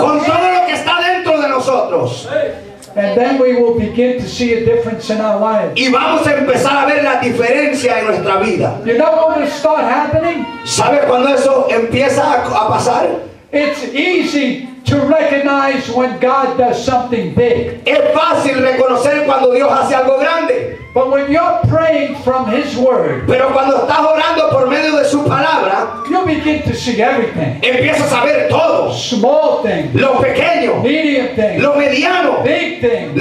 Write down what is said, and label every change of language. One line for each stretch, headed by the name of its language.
Spanish: Con todo lo que está dentro de nosotros.
English: And then we will begin to see a difference in our lives.
Spanish: Y vamos a empezar a ver la diferencia en nuestra vida.
English: You know what will start happening?
Spanish: ¿Sabe cuando eso empieza a pasar?
English: It's easy to recognize when God does something big.
Spanish: Es fácil reconocer cuando Dios hace algo grande.
English: But when you're praying from His Word,
Spanish: pero cuando estás orando por medio de su palabra,
English: you begin to see everything.
Spanish: Empiezas a ver todo.
English: Small things.
Spanish: Lo pequeño.
English: Medium things.
Spanish: Lo mediano.
English: Big things.